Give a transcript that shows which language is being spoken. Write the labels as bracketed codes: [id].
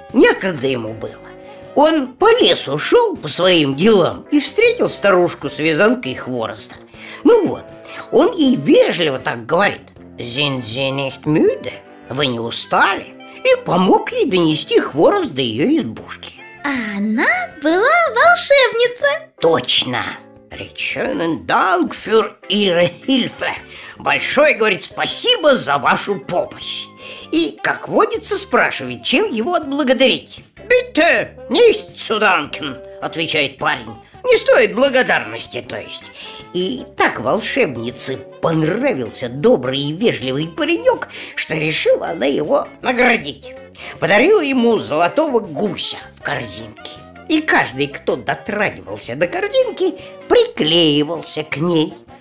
[ru] Некогда ему было. Он по лесу шел по своим делам и встретил старушку с вязанкой хвороста. Ну вот, он и вежливо так говорит: [de] «Sind Sie nicht müde? [ru] Вы не устали?» И помог ей донести хворост до ее избушки. А она была волшебница. Точно! [de] Richtigen Dank für Ihre Hilfe. [ru] Большое, говорит, спасибо за вашу помощь. И, как водится, спрашивает, чем его отблагодарить. [de] «Bitte nicht zu danken», [ru] отвечает парень. «Не стоит благодарности, то есть». И так волшебнице понравился добрый и вежливый паренек, что решила она его наградить. Подарила ему золотого гуся в корзинке. И каждый, кто дотрагивался до корзинки, приклеивался к ней.